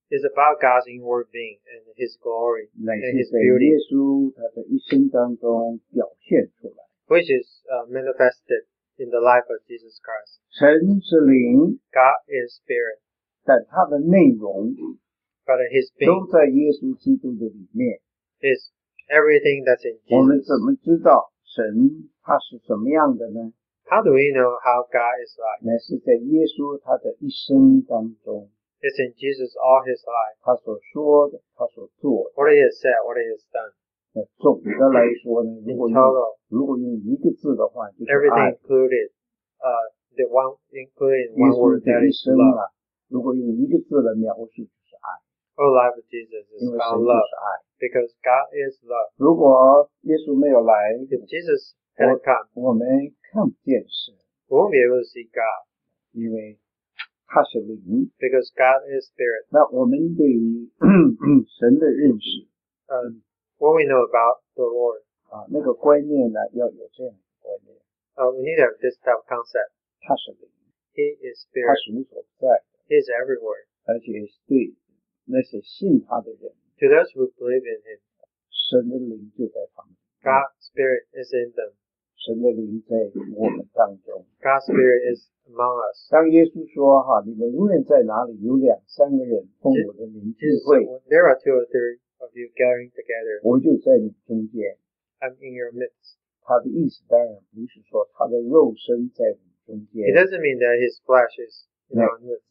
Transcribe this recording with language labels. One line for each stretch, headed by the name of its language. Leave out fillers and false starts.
English: It's about God's inward being and His glory and His beauty.
Chinese: 乃是在耶稣他的一生当中表现出来。
English: Which is manifested in the life of Jesus Christ.
Chinese: 神是灵,
English: God is spirit.
Chinese: 但他的内容,
English: but His being is everything that's in Jesus.
Chinese: 我们怎么知道神他是怎么样的呢?
English: How do we know how God is like?
Chinese: 乃是在耶稣他的一生当中,
English: it's in Jesus all His life.
Chinese: 他所说的, 他所做的,
English: what He has said, what He has done.
Chinese: 总的来说呢, 如果用一个字的话,
English: everything included, the one included in one word, that is love.
Chinese: 如果用一个字的描述,
English: all life of Jesus is about love, because God is love.
Chinese: 如果耶稣没有来,
English: if Jesus hadn't come,
Chinese: 我们看不见神,
English: we won't be able to see God,
Chinese: 因为他是灵,
English: because God is spirit.
Chinese: 那我们对于, 神的认识,
English: what we know about the Lord,
Chinese: 那个观念呢,
English: we need to have this type of concept.
Chinese: 他是灵,
English: he is spirit.
Chinese: 他是无所在,
English: he is everywhere.
Chinese: 而且是对, 那些信他的人,
English: to those who believe in Him,
Chinese: 神的灵就在旁边,
English: God's Spirit is in them.
Chinese: 神的灵在我们当中,
English: God's Spirit is among us.
Chinese: 当耶稣说, 你们无论在哪里, 有两三个人奉我的灵聚会,
English: there are two or three of you gathering together,
Chinese: 我就在你中间,
English: I'm in your midst.
Chinese: 他的意思当然不是说他的肉身在你中间,
English: it doesn't mean that His flesh is in our midst.